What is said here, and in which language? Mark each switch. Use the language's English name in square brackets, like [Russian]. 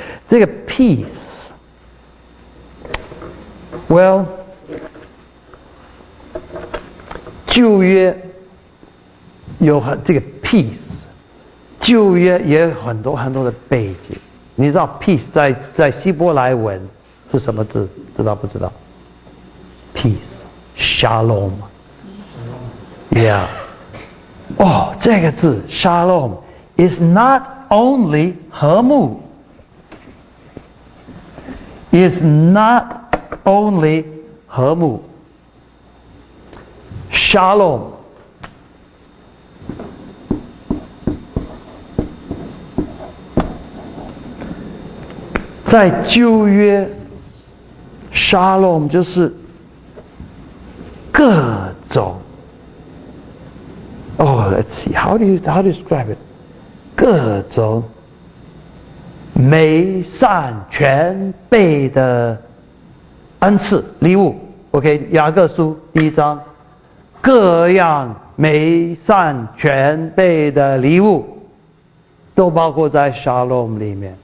[Chinese] 这个 peace，well， 旧约有很这个 peace， 旧约也有很多很多的背景。你知道 peace 在希伯来文是什么字？知道不知道 ？Peace，shalom，yeah。哦，这个字 shalom [English] is not only [Chinese] 和睦 is not only 和睦 shalom 在旧约 shalom 就是各种 [English] Oh, let's see. How do you describe it? [Chinese] 各种美善全备的恩赐礼物。 OK， 雅各书第一章，各样美善全备的礼物都包括在 Shalom 里面。